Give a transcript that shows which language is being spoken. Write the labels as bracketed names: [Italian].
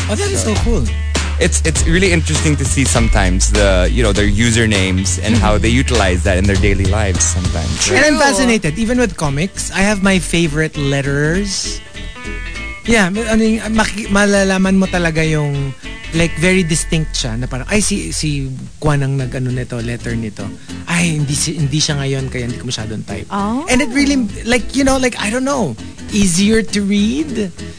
[English] That is so cool. It's really interesting to see sometimes the, you know, their usernames and how they utilize that in their daily lives sometimes. True. And I'm fascinated. Even with comics, I have my favorite letterers. Yeah, [Filipino] malalaman mo talaga yung [English] like very distinct [Filipino] siya na parang ay si Kwan ang nag ano nito letter nito ay hindi siya ngayon kaya hindi ko masyadong type. [English] Oh. And it really like, you know, like I don't know, easier to read.